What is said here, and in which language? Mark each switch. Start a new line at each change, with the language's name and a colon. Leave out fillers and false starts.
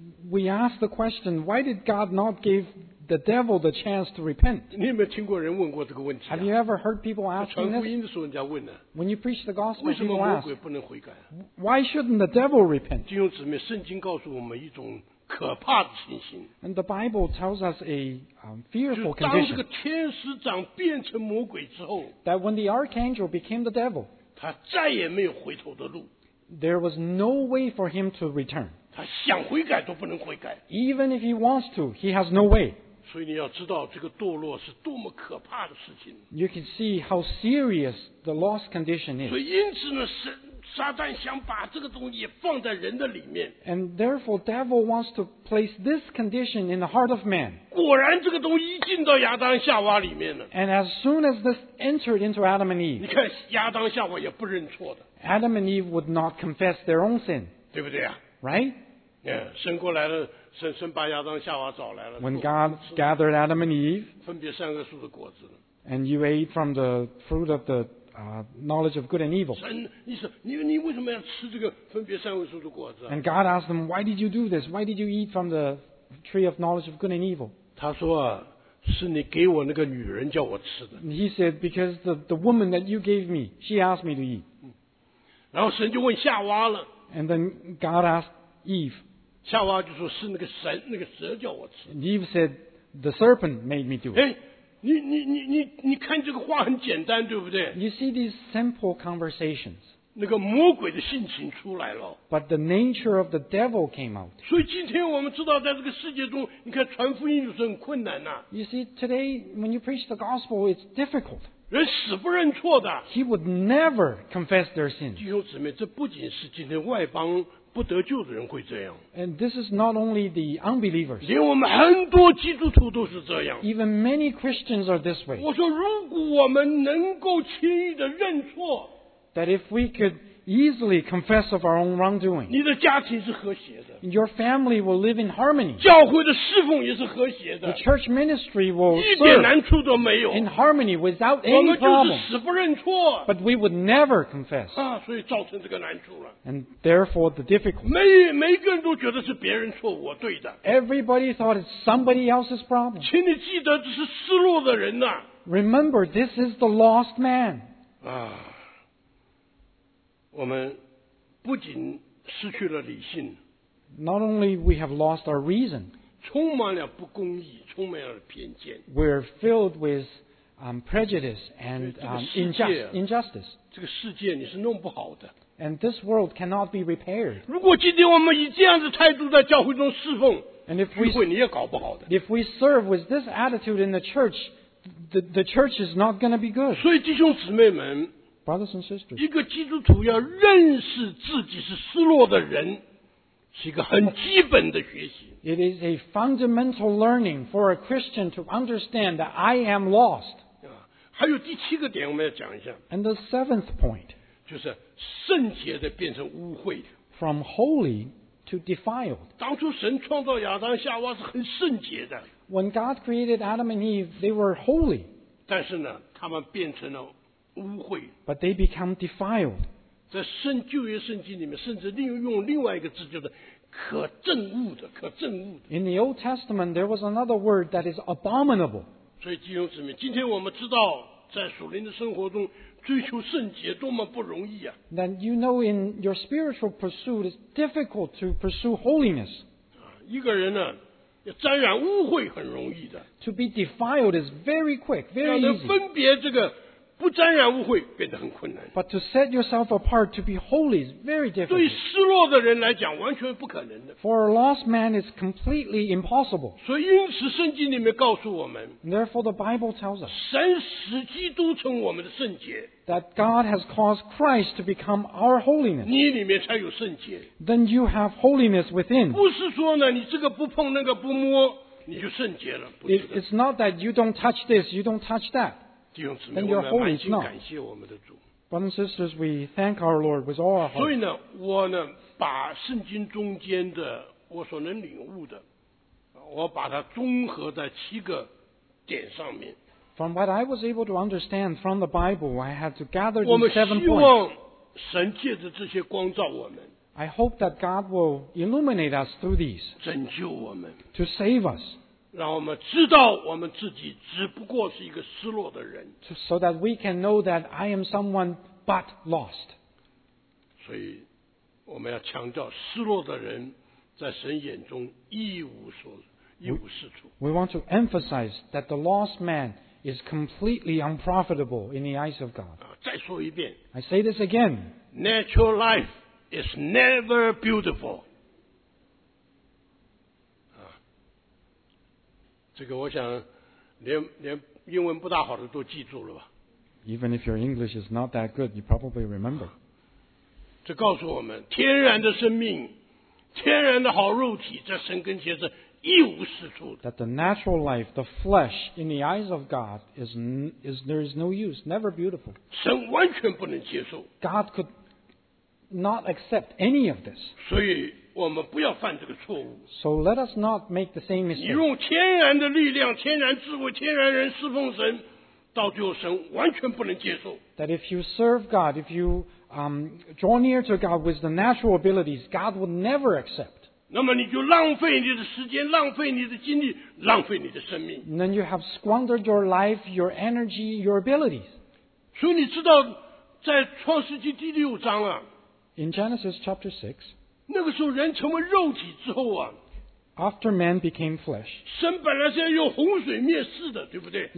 English: We ask the question, why did God not give the devil the chance to repent?
Chinese: 你有没有听过人问过这个问题啊？
English: Have you ever heard people asking this?
Chinese: 传福音的时候，人家问呢。
English: When you preach the gospel, people ask,
Chinese: 为什么魔鬼不能悔改？
English: Why shouldn't the devil repent?
Chinese: 弟兄姊妹，圣经告诉我们一种可怕的情形。
English: And the Bible tells us a fearful condition.
Chinese: 就当这个天使长变成魔鬼之后，
English: that when the archangel became the devil,
Chinese: 他再也没有回头的路。
English: There was no way for him to return.
Chinese: 他想悔改都不能悔改。
English: Even if he wants to, he has no way.
Chinese: 所以你要知道这个堕落是多么可怕的事情。
English: You can see how serious the lost condition is.
Chinese: 所以因此呢，是撒旦想把这个东西也放在人的里面。
English: And therefore, devil wants to place this condition in the heart of man.
Chinese: 果然，这个东西一进到亚当夏娃里面了。
English: And as soon as this entered into Adam and Eve,
Chinese: 你看亚当夏娃也不认错的。
English: Adam and Eve would not confess their own sin.
Chinese: 对不对啊
English: ？Right?
Chinese: Yeah, 神过来了，神把亚当夏娃找来了。
English: When God gathered Adam and Eve,
Chinese: 分别三个树的果子。
English: And you ate from the fruit of the knowledge of good and evil.
Chinese: 神，你说你为什么要吃这个分别善恶树的果子？
English: And God asked them, why did you do this? Why did you eat from the tree of knowledge of good and evil?
Chinese: 他说啊，是你给我那个女人叫我吃的。
English: And he said, because the woman that you gave me, she asked me to eat.
Chinese: 然后神就问夏娃了。
English: And then God asked Eve.
Chinese: 夏娃就说是那个蛇叫我吃的。
English: And Eve said, the serpent made me do it.
Chinese: 你看这个话很简单，对不对
English: ？You see these simple conversations.
Chinese: 那个魔鬼的性情出来了。
English: But the nature of the devil came out.
Chinese: 所以今天我们知道，在这个世界中，你看传福音就是很困难呐。
English: You see today when you preach the gospel, it's difficult.
Chinese: 人死不认错的。
English: He would never confess their sins.
Chinese: 弟兄姊妹，这不仅是今天外邦不得救的人会这样。
English: And this is not only the unbelievers.
Chinese: 连我们很多基督徒都是这样。
English: Even many Christians are this way.
Chinese: 我说如果我们能够轻易的认错，
English: that if we could easily confess of our own wrongdoing,
Chinese: 你的家庭是和谐的。
English: Your family will live in harmony.
Chinese: 教会的侍奉也是和谐的。
English: The church ministry will serve
Chinese: 一点难处都没有。
English: In harmony without any problem.
Chinese: 我们就是死不认错。
English: But we would never confess.
Chinese: 啊，所以造成这个难处了。
English: And therefore the difficulty.
Chinese: 每个人都觉得是别人错，我对的。
English: Everybody thought it's somebody else's problem.
Chinese: 请你记得，这是失落的人呐。
English: Remember, this is the lost man.
Chinese: 啊，我们不仅失去了理性。
English: Not only we have lost our reason,
Chinese: 充满了不公义，充满了偏见。
English: We're filled with prejudice and injustice.
Chinese: 这个世界你是弄不好的。
English: And this world cannot be repaired.
Chinese: 如果今天我们以这样的态度在教会中侍奉，聚会你也搞不好的。
English: If we serve with this attitude in the church, the church is not going to be good.
Chinese: 所以弟兄姊妹们，
English: brothers and sisters,
Chinese: 一个基督徒要认识自己是失落的人，是一个很基本的学习。
English: It is a fundamental learning for a Christian to understand that I am lost.
Chinese: 还有第七个点我们要讲一下。
English: And the seventh point.
Chinese: 就是圣洁的变成污秽。
English: From holy to defiled.
Chinese: 当初神创造亚当夏娃是很圣洁的。
English: When God created Adam and Eve, they were holy.
Chinese: 但是呢，他们变成了污秽。
English: But they become defiled.
Chinese: 在旧约圣经里面，甚至利用另外一个字，就是可憎恶的，可憎恶的。
English: In the Old Testament, there was another word that is abominable.
Chinese: 所以弟兄姊妹，今天我们知道在属灵的生活中追求圣洁多么不容易啊。
English: Then you know in your spiritual pursuit it's difficult to pursue holiness.
Chinese: 一个人呢要沾染污秽很容易的。
English: To be defiled is very quick, very easy.
Chinese: 要能分别这个不沾染污秽变得很困难。
English: But to set yourself apart to be holy is very difficult.
Chinese: 对失落的人来讲完全不可能的。
English: For a lost man it's completely impossible.
Chinese: 所以因此圣经里面告诉我们。
English: Therefore the Bible tells us.
Chinese: 神使基督成我们的圣洁。
English: That God has caused Christ to become our holiness.
Chinese: 你里面才有圣洁。
English: Then you have holiness within.
Chinese: 不是说呢你这个不碰那个不摸你就圣洁了。不是的。
English: It's not that you don't touch this, you don't touch that.
Chinese: 弟兄姊妹，我们满心感谢我们的主。
English: Brothers and sisters, we thank our Lord with all our heart.
Chinese: 所以呢，我呢，把圣经中间的我所能领悟的，我把它综合在七个点上面。
English: From what I was able to understand from the Bible, I had to gather these seven points.
Chinese: 我们希望神借着这些光照我们。
English: I hope that God will illuminate us through these.
Chinese: 拯救我们。
English: To save us.
Chinese: 让我们知道我们自己只不过是一个失落的人。
English: So that we can know that I am someone but lost.
Chinese: 所以我们要强调失落的人在神眼中一无是处。
English: We want to emphasize that the lost man is completely unprofitable in the eyes of God.
Chinese: 再说一遍。
English: I say this again. Natural life is never beautiful.
Chinese: 这个我想连英文不大好的都记住了吧。
English: Even if your English is not that good, you probably remember.
Chinese: 这告诉我们天然的生命天然的好肉体在神跟前是一无是处的。
English: That the natural life, the flesh, in the eyes of God, is there is no use, never beautiful.
Chinese: 神完全不能接受。
English: God could not accept any of this.
Chinese: 所以我们不要犯这个错误。
English: So let us not make the same mistake.
Chinese: 你用天然的力量、天然智慧、天然人侍奉神，到最后神完全不能接受。
English: That if you serve God, if you draw near to God with the natural abilities, God will never accept.
Chinese: 那么你就浪费你的时间，浪费你的精力，浪费你的生命。
English: And then you have squandered your life, your energy, your abilities.
Chinese: 所以你知道，在创世纪第六章啊。
English: In Genesis chapter 6.
Chinese: 那个时候人成为肉体之后啊
English: After man became flesh,
Chinese: 神本来是要用洪水灭世的对不对